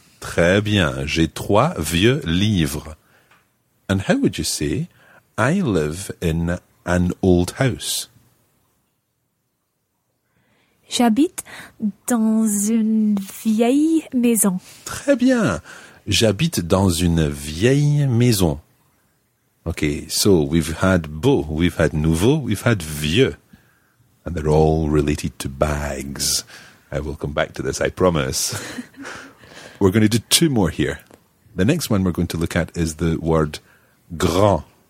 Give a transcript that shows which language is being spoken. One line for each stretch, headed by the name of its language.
French: Très bien, j'ai trois vieux livres.
English: And how would you say, I live in an old house?
French: J'habite dans une vieille maison. Très bien. J'habite dans une vieille maison.
English: Okay, so we've had beau, we've had nouveau, we've had vieux. And they're all related to bags. I will come back to this, I promise. We're going to do two more here. The next one we're going to look at is the word grand.